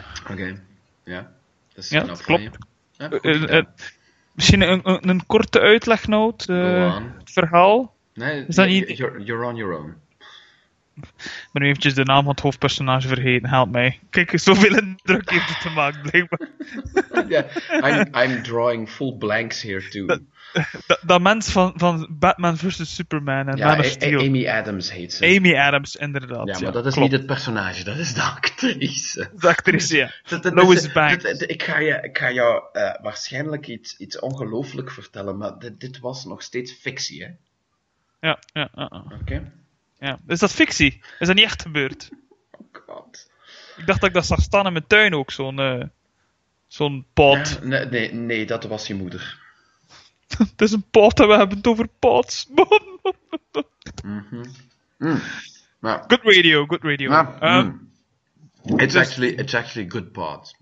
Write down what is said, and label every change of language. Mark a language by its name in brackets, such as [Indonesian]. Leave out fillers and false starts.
[Dutch] Oké, dat is klopt. Misschien een korte uitlegnoot, het verhaal. Nee, is dat niet... [English] you're on your own. [Dutch] Ik ben nu eventjes de naam van het hoofdpersonage vergeten, help mij. Kijk, zoveel indruk heeft het te maken, blijkbaar. [English] Yeah, I'm drawing full blanks here too. [Dutch] Dat mens van Batman versus Superman en Man of Steel. Amy Adams heet ze. Amy Adams, inderdaad. Ja, maar dat is niet het personage, dat is de actrice. De actrice, ja. Lois Banks. Ik ga jou waarschijnlijk iets ongelooflijk vertellen, maar dit was nog steeds fictie, hè? ja. Oké. Okay. Ja. Is dat fictie? Is dat niet echt gebeurd? Oh god. Ik dacht dat ik dat zag staan in mijn tuin ook, zo'n pot. Ja, nee, dat was je moeder. Het is een pot en we hebben het over pots. Mm-hmm. [English] Good radio. Maar, It's actually good pot.